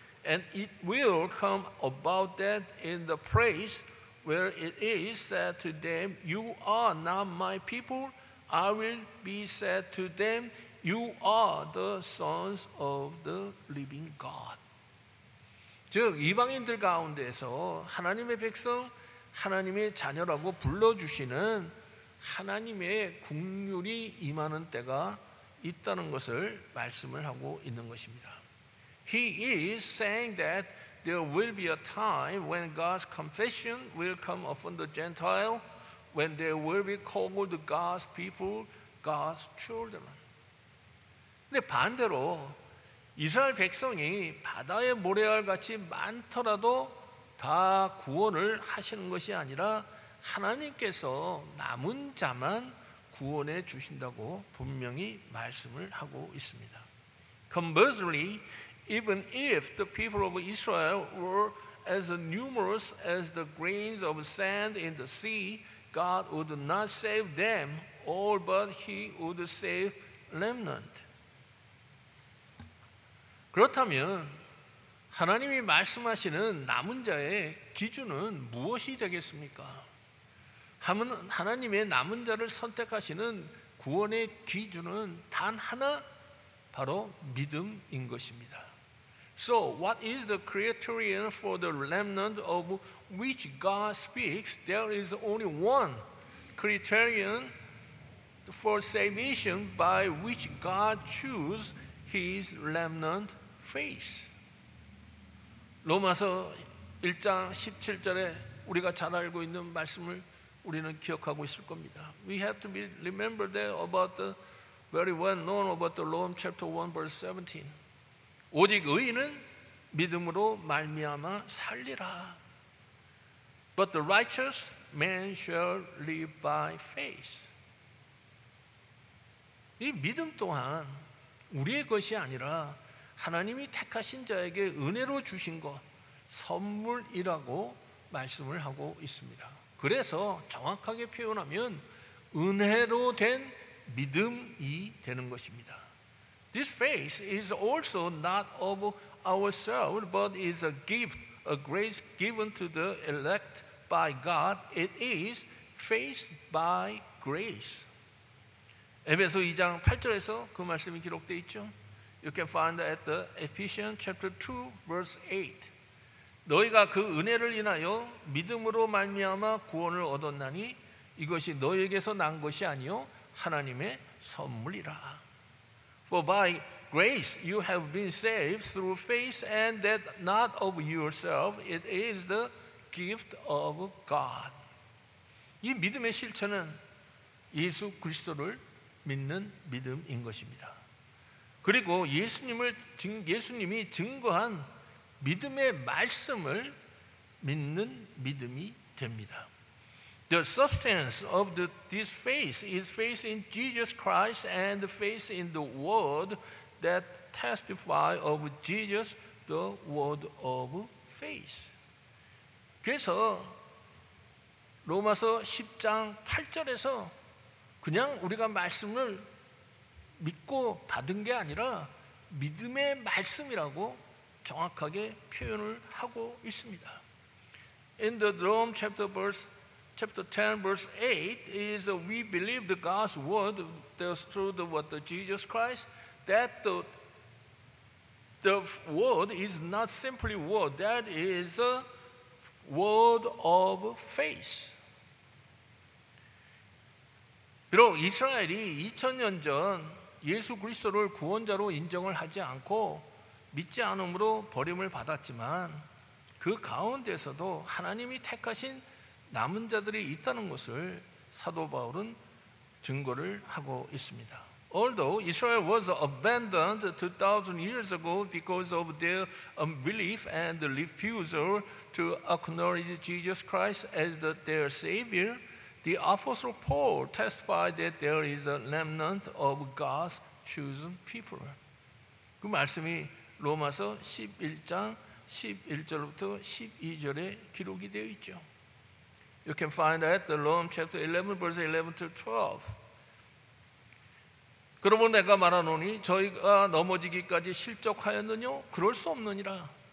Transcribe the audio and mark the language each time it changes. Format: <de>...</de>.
<en>and it will come about that in the place where it is said to them you are not my people I will be said to them you are the sons of the living God</en> <ko>즉 이방인들 가운데서 하나님의 백성 하나님의 자녀라고 불러주시는 하나님의 국률이 임하는 때가 있다는 것을 말씀을 하고 있는 것입니다.</ko> <en>He is saying that there will be a time when God's confession will come upon the Gentile, when they will be called God's people, God's children.</en> <ko>근데 반대로 이스라엘 백성이 바다의 모래알 같이 많더라도 다 구원을 하시는 것이 아니라 하나님께서 남은 자만 구원해 주신다고 분명히 말씀을 하고 있습니다.</ko> <en>Conversely, even if the people of Israel were as numerous as the grains of sand in the sea, God would not save them, all but he would save remnant.</en> <ko>그렇다면 하나님이 말씀하시는 남은 자의 기준은 무엇이 되겠습니까? 하나님의 남은 자를 선택하시는 구원의 기준은 단 하나 바로 믿음인 것입니다.</ko> <en>So what is the criterion for the remnant of which God speaks? There is only one criterion for salvation by which God chooses his remnant faith.</en> <ko>로마서 1장 17절에 우리가 잘 알고 있는 말씀을 우리는 기억하고 있을 겁니다.</ko> <en>We have to be remember that about the very well known about the Romans chapter 1 verse 17.</en> <ko>오직 의인은 믿음으로 말미암아 살리라.</ko> <en>But the righteous man shall live by faith.</en> <ko>이 믿음 또한 우리의 것이 아니라 하나님이 택하신 자에게 은혜로 주신 것, 선물이라고 말씀을 하고 있습니다. 그래서 정확하게 표현하면 은혜로 된 믿음이 되는 것입니다.</ko> <en>This faith is also not of ourselves, but is a gift, a grace given to the elect by God. It is faith by grace.</en> <ko>에베소 2장 8절에서 그 말씀이 기록되어 있죠.</ko> <en>You can find at the Ephesians chapter 2 verse 8.</en> <ko>너희가 그 은혜를 인하여 믿음으로 말미암아 구원을 얻었나니 이것이 너희에게서 난 것이 아니요 하나님의 선물이라.</ko> <en>For by grace you have been saved through faith and that not of yourself, it is the gift of God.</en> <ko>이 믿음의 실체는 예수 그리스도를 믿는 믿음인 것입니다. 그리고 예수님이 증거한 믿음의 말씀을 믿는 믿음이 됩니다.</ko> <en>The substance of this faith is faith in Jesus Christ and faith in the word that testify of Jesus, the word of faith.</en> <ko>그래서 로마서 10장 8절에서 그냥 우리가 말씀을 믿고 받은 게 아니라 믿음의 말씀이라고 정확하게 표현을 하고 있습니다.</ko> <en>In the Rome chapter 10 verse 8 is we believe the God's word through the word of Jesus Christ, that the word is not simply word, that is a word of faith.</en> <ko>비록 이스라엘이 2000년 전 예수 그리스도를 구원자로 인정을 하지 않고 믿지 않음으로 버림을 받았지만 그 가운데서도 하나님이 택하신 남은 자들이 있다는 것을 사도 바울은 증거를 하고 있습니다.</ko> <en>Although Israel was abandoned 2000 years ago because of their unbelief and refusal to acknowledge Jesus Christ as their Savior, the Apostle Paul testified that there is a remnant of God's chosen people.</en> <ko>그 말씀이 로마서 11장 11절부터 12절에 기록이 되어 있죠.</ko> <en>You can find that the Romans chapter 11 verse 11 to 12.</en> <ko>그러므로 내가 말하노니 저희가 넘어지기까지 실족하였느뇨? 그럴 수 없느니라.</ko>